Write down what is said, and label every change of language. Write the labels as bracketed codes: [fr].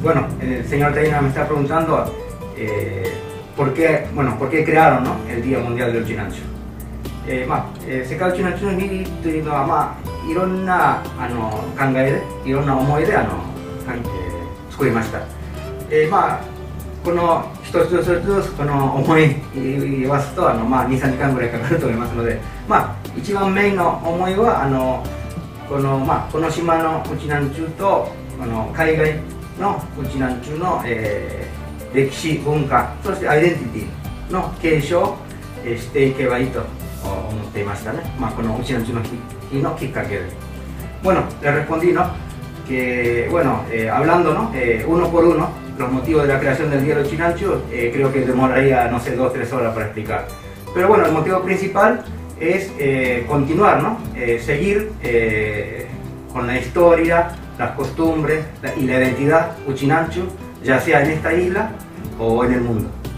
[es] Bueno, el señor Taira me está preguntando ¿Por qué crearon, ¿no?, el Día Mundial del Chinancho? [ja] Sekai Chinancho no Hi というのは、まあ、いろんなあの考えで、いろんな思いであの作りました。この一つ一つこの思い言わすと、2、3時間ぐらいかかると思いますので、一番メインの思いは、この島のウチナンチュと、この海外のウチナンチュの、歴史、文化、そしてアイデンティティの継承をしていけばいいと思っていましたね。このうちのうちの日のきっかけで。 [es] Bueno, le respondí, ¿no? Que, bueno, hablando, ¿no? Uno por uno, los motivos de la creación del Día de los Chinanchu, creo que demoraría, no sé, 2-3 horas para explicar. Pero bueno, el motivo principal es continuar, ¿no? Seguir con la historia, las costumbres y la identidad uchinanchu, ya sea en esta isla o en el mundo.